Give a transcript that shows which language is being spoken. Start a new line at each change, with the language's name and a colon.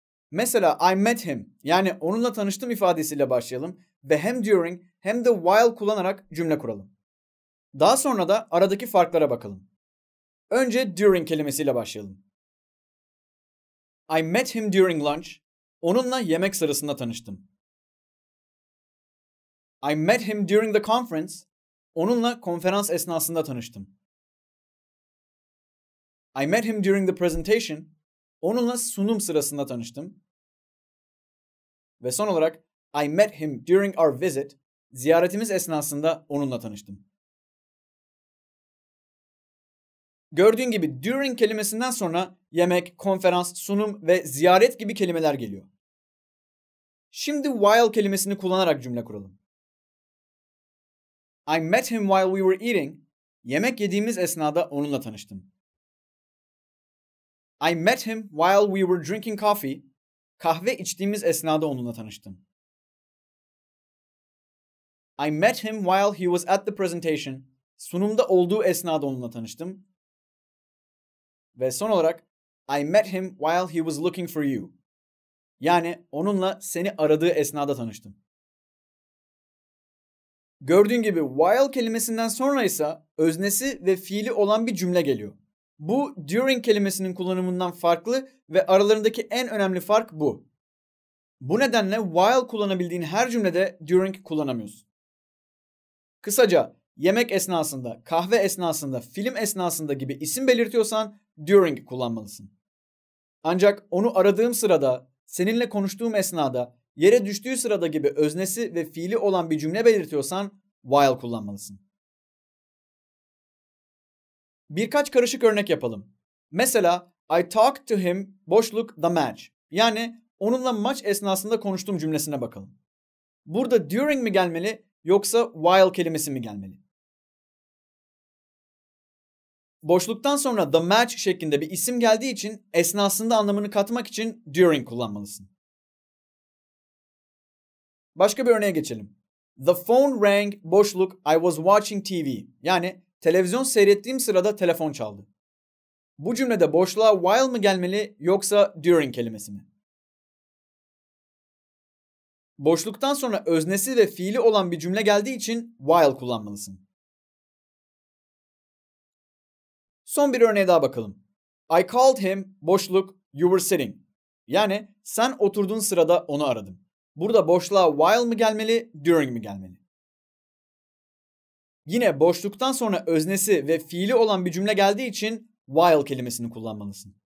Turkish: Mesela
English: I met him,
Turkish: yani onunla tanıştım ifadesiyle başlayalım ve hem during hem de while kullanarak cümle kuralım. Daha sonra da aradaki farklara bakalım. Önce during kelimesiyle başlayalım.
English: I met him during lunch.
Turkish: Onunla yemek sırasında tanıştım.
English: I met him during the conference.
Turkish: Onunla konferans esnasında tanıştım.
English: I met him during the presentation.
Turkish: Onunla sunum sırasında tanıştım. Ve son olarak
English: I met him during our visit.
Turkish: Ziyaretimiz esnasında onunla tanıştım. Gördüğün gibi during kelimesinden sonra yemek, konferans, sunum ve ziyaret gibi kelimeler geliyor. Şimdi while kelimesini kullanarak cümle kuralım.
English: I met him while we were eating.
Turkish: Yemek yediğimiz esnada onunla tanıştım.
English: I met him while we were drinking coffee.
Turkish: Kahve içtiğimiz esnada onunla tanıştım.
English: I met him while he was at the presentation.
Turkish: Sunumda olduğu esnada onunla tanıştım. Ve son olarak,
English: I met him while he was looking for you.
Turkish: Yani onunla seni aradığı esnada tanıştım. Gördüğün gibi while kelimesinden sonra ise öznesi ve fiili olan bir cümle geliyor. Bu during kelimesinin kullanımından farklı ve aralarındaki en önemli fark bu. Bu nedenle while kullanabildiğin her cümlede during kullanamıyorsun. Kısaca yemek esnasında, kahve esnasında, film esnasında gibi isim belirtiyorsan during kullanmalısın. Ancak onu aradığım sırada, seninle konuştuğum esnada, yere düştüğü sırada gibi öznesi ve fiili olan bir cümle belirtiyorsan while kullanmalısın. Birkaç karışık örnek yapalım. Mesela
English: I talked to him
Turkish: boşluk
English: the match.
Turkish: Yani onunla maç esnasında konuştuğum cümlesine bakalım. Burada during mi gelmeli yoksa while kelimesi mi gelmeli? Boşluktan sonra
English: the match
Turkish: şeklinde bir isim geldiği için esnasında anlamını katmak için during kullanmalısın. Başka bir örneğe geçelim.
English: The phone rang
Turkish: boşluk
English: I was watching TV.
Turkish: Yani televizyon seyrettiğim sırada telefon çaldı. Bu cümlede boşluğa while mı gelmeli yoksa during kelimesi mi? Boşluktan sonra öznesi ve fiili olan bir cümle geldiği için while kullanmalısın. Son bir örneğe daha bakalım.
English: I called him
Turkish: boşluk
English: you were sitting.
Turkish: Yani sen oturduğun sırada onu aradım. Burada boşluğa while mı gelmeli, during mi gelmeli? Yine boşluktan sonra öznesi ve fiili olan bir cümle geldiği için while kelimesini kullanmalısın.